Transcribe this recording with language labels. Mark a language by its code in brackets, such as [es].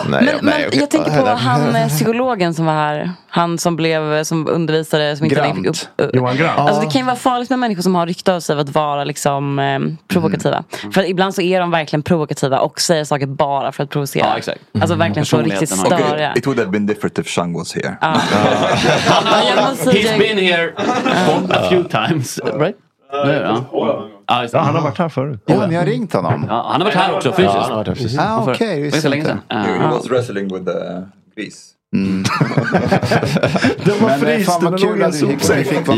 [sv] Men jag tänker på han psykologen som var här, han som blev som undervisare som inte fick upp. Johan Grant. Alltså det kan ju vara farligt med människor som har rykte av sig att vara liksom provokativa. Mm. För ibland så är de verkligen provokativa och säger saker bara för att provocera. Ja, exakt. Alltså verkligen så riktigt störiga. [en] Okay. It would have been different if Shang was here. He's been here. A few times, right? [sv] Ja, han har varit här förut. Ja, ni har ringt honom. Han har varit här också fysiskt. Ah, okej. Okay, för så länge sen. [en] He was wrestling with the gris. [sv] Det var friskt. Men kul att du fick vara med.